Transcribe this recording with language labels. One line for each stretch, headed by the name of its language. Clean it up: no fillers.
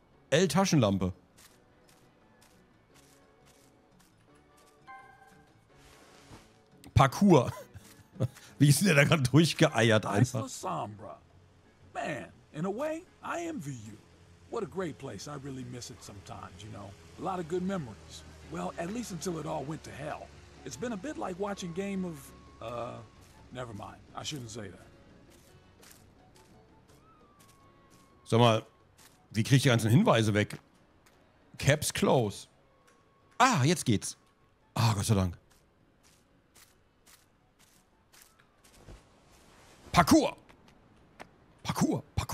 German: L-Taschenlampe. Parcours. Wie ist denn der da gerade durchgeeiert einfach?
English: Man, in a way, I envy you. What a great place. I really miss it sometimes, you know. A lot of good memories. Well, at least until it all went to hell. It's been a bit like watching game of... never mind. I shouldn't say that.
German: Sag mal, wie krieg ich die ganzen Hinweise weg? Caps close. Ah, jetzt geht's. Ah, Gott sei Dank. Parcours! Parcours.